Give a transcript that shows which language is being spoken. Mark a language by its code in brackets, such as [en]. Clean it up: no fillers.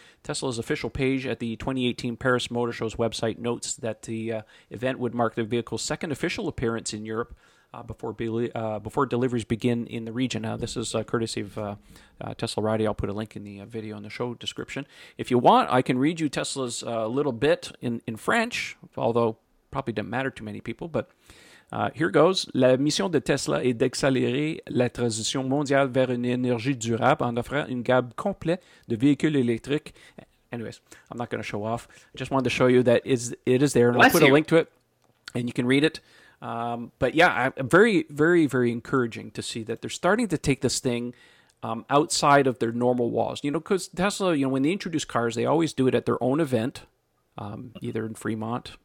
[en] Tesla's official page at the 2018 Paris Motor Show's website notes that the event would mark the vehicle's second official appearance in Europe before deliveries begin in the region. Now, this is courtesy of Tesla Roddy. I'll put a link in the video in the show description. If you want, I can read you Tesla's little bit in French, although probably didn't matter to many people, but here goes. [fr] La mission de Tesla est d'accélérer la transition mondiale vers une énergie durable en offrant une gamme complète de véhicules électriques. [en] Anyways, I'm not going to show off. I just wanted to show you that it is there, and bless I'll put you. A link to it, and you can read it. But yeah, very, very, very encouraging to see that they're starting to take this thing outside of their normal walls. You know, because Tesla, you know, when they introduce cars, they always do it at their own event, either in Fremont.